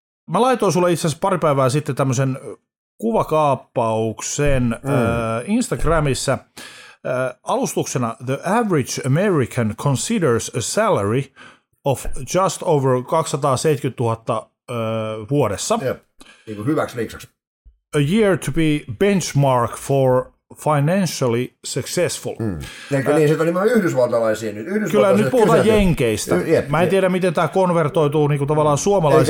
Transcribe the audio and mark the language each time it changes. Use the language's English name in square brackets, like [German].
[Finnish] Mä laitoin sulle itse asiassa pari päivää sitten tämmöisen kuvakaappauksen Instagramissa alustuksena [English] The Average American Considers a Salary of Just Over [Finnish] 270,000 vuodessa. Niin kuin hyväksi liiksaksi. [English] A year to be benchmark for financially successful. [Finnish] Niin, sieltä oli vain yhdysvaltalaisia. Yhdysvaltalaisia. Kyllä nyt puhutaan jenkeistä. Mä en tiedä, miten tämä konvertoituu niin kuin tavallaan suomalaisiin.